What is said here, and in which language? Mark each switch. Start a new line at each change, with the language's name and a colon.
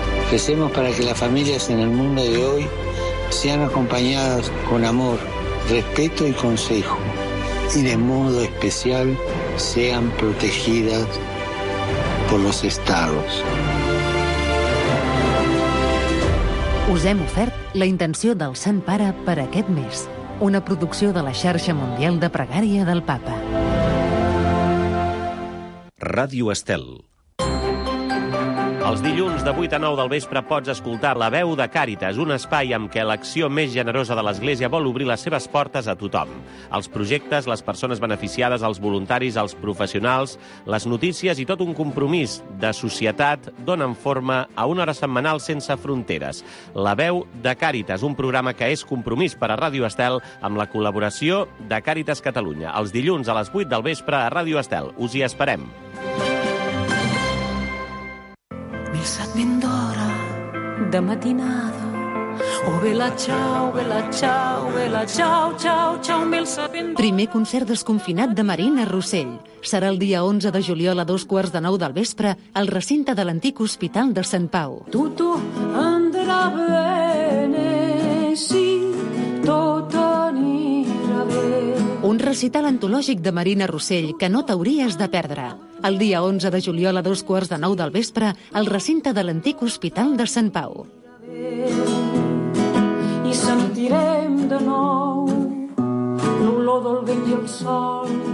Spanish: Crecemos para que las familias en el mundo de hoy sean acompañadas con amor, respeto y consejo, y de modo especial sean protegidas por los estados.
Catalan: Us hem ofert la intenció del Sant Pare per aquest mes, una producció de la xarxa mundial de pregària del Papa. Ràdio Estel. Els dilluns de 8 a 9 del vespre pots escoltar La Veu de Càritas, un espai amb què l'acció més generosa de l'Església vol obrir les seves portes a tothom. Els projectes, les persones beneficiades, els voluntaris, els professionals, les notícies i tot un compromís de societat donen forma a una hora setmanal sense fronteres. La Veu de Càritas, un programa que és compromís per a Ràdio Estel amb la col·laboració de Càritas Catalunya. Els dilluns a les 8 del vespre a Ràdio Estel. Us hi esperem. Mil sat ben d'hora, de matinada,
Italian: Oh, bella ciao, bella ciao, bella ciao, ciao, ciao, mil sapendo.
Catalan: Primer concert desconfinat de Marina Rossell. Serà el dia 11 de juliol a 8:45 del vespre al recinte de l'antic Hospital de Sant Pau.
Italian: Tutto andrà bene,
Catalan: sì, tot anirà bé. Un recital antològic de Marina Rossell que no t'hauries de perdre. El dia 11 de juliol a 8:45 del vespre al recinte de l'antic Hospital de Sant Pau. I sentirem de nou l'olor del vent i el sol.